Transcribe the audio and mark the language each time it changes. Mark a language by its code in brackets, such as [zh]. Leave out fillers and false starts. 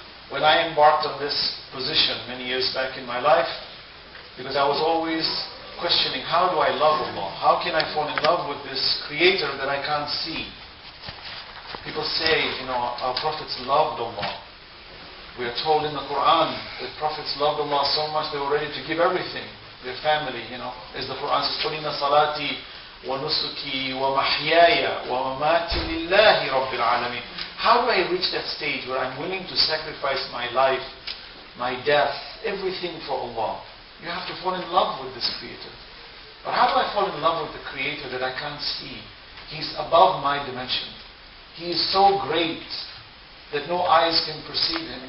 [en] When I embarked on this position many years back in my life, because I was always questioning, how do I love Allah? How can I fall in love with this Creator that I can't see? People say, you know, our prophets loved Allah. We are told in the Quran that prophets loved Allah so much they were ready to give everything, their family, you know. As the Quran says, [ar] قُلِنَ صَلَاتِي وَنُسُكِي وَمَحْيَايَ وَمَمَاتِ لِلَّهِ رَبِّ الْعَالَمِينَ. [en] How do I reach that stage where I'm willing to sacrifice my life, my death, everything for Allah? You have to fall in love with this Creator. But how do I fall in love with the Creator that I can't see? He's above my dimension. He is so great that no eyes can perceive Him.